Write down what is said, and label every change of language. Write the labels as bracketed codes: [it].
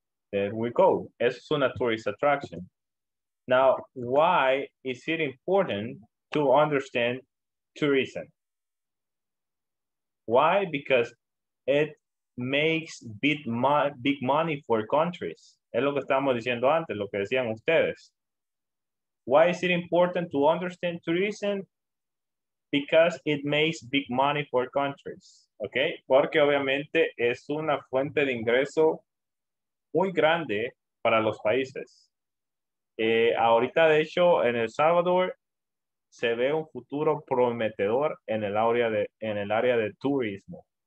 [en] There we go. [es] Eso es una [en] tourist attraction. Now, why is it important to understand tourism? Why? Because it makes big money for countries. [es] Es lo que estábamos diciendo antes, lo que decían ustedes. [en] Why is it important to understand tourism? Because it makes big money for countries, okay? [es] Porque obviamente es una fuente de ingreso muy grande para los países. Ahorita, de hecho, en El Salvador se ve un futuro prometedor en el área de, en el área de turismo.